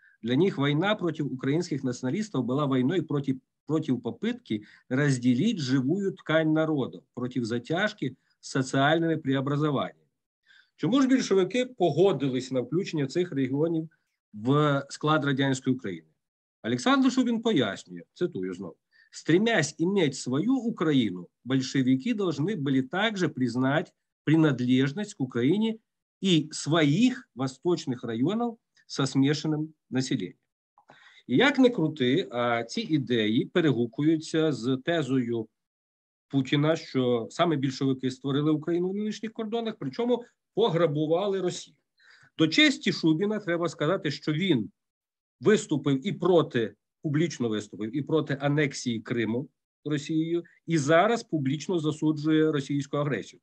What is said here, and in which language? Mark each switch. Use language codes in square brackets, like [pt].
[uk] Для них війна проти українських націоналістів була війною проти попитки розділити живу ткань народу, проти затяжки з соціальними преобразуваннями. Чому ж більшовики погодились на включення цих регіонів в склад радянської України? Олександр Шубін пояснює, цитую знову, [ru] «Стремясь иметь свою Украину, большевики должны были также признать принадлежность к Украине и своих восточных районов со смешанным населением». [uk] І як не крути, а ці ідеї перегукуються з тезою Путіна, що саме більшовики створили Україну в нинішніх кордонах, причому пограбували Росію. До честі Шубіна треба сказати, що він виступив і проти, публічно виступив і проти анексії Криму Росією, і зараз публічно засуджує російську агресію.